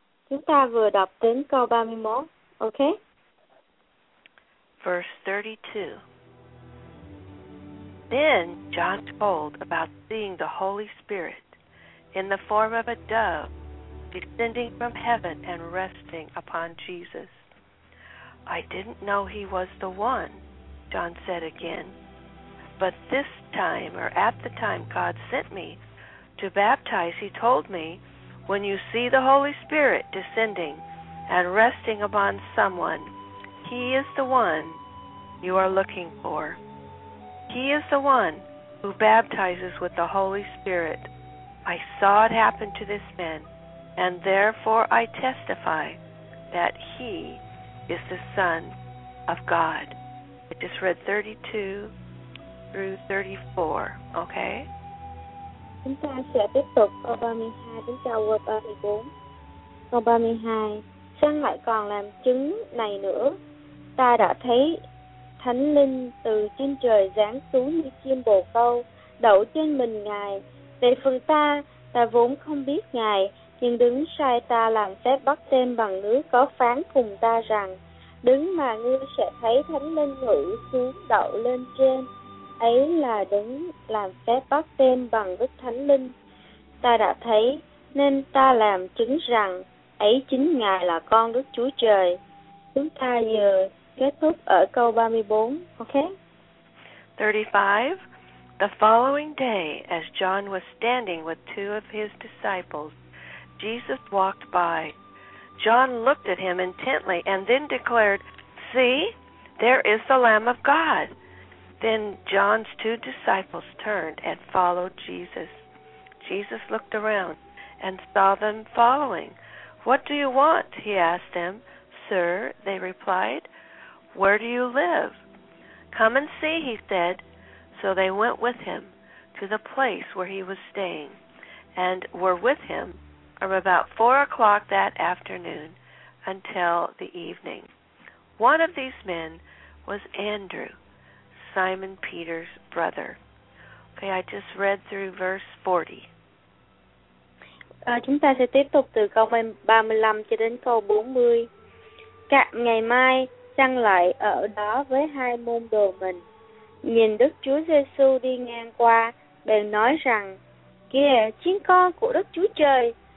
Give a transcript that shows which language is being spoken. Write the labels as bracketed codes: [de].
[vi] Chúng ta vừa đọc đến câu 31, ok? [en] Verse 32. Then John told about seeing the Holy Spirit in the form of a dove descending from heaven and resting upon Jesus. I didn't know he was the one, John said again. But this time, or at the time God sent me to baptize, he told me, when you see the Holy Spirit descending and resting upon someone, he is the one you are looking for. He is the one who baptizes with the Holy Spirit. I saw it happen to this man, and therefore I testify that he is the Son of God. I just read 32 through 34, okay? [vi] Chúng ta sẽ tiếp tục câu 32 đến câu 34. Câu 32, Giăng lại còn làm chứng này nữa. Ta đã thấy Thánh Linh từ trên trời giáng xuống như chim bồ câu, đậu trên mình Ngài. Về phần ta vốn không biết Ngài, nhưng đứng sai ta làm phép bắt tem bằng nước có phán cùng ta rằng, đứng mà ngươi sẽ thấy Thánh Linh ngự xuống đậu lên trên, ấy là đứng làm phép bắt tem bằng Đức Thánh Linh. Ta đã thấy, nên ta làm chứng rằng, ấy chính Ngài là con Đức Chúa Trời. Chúng ta giờ kết thúc ở câu 34, ok? [en] 35. The following day, as John was standing with two of his disciples, Jesus walked by. John looked at him intently and then declared, "See, there is the Lamb of God." Then John's two disciples turned and followed Jesus. Jesus looked around and saw them following. "What do you want?" he asked them. "Sir," they replied, "Where do you live?" "Come and see," he said. So they went with him to the place where he was staying and were with him from about 4 o'clock that afternoon until the evening. One of these men was Andrew, Simon Peter's brother. Okay, I just read through verse 40. [vi] Chúng ta sẽ tiếp tục từ câu 35 cho đến câu 40. Cạn ngày mai, Giăng lại ở đó với hai môn đồ mình. Nhìn Đức Chúa Giê-xu đi ngang qua, bèn nói rằng, kìa, chiên con của Đức Chúa Trời.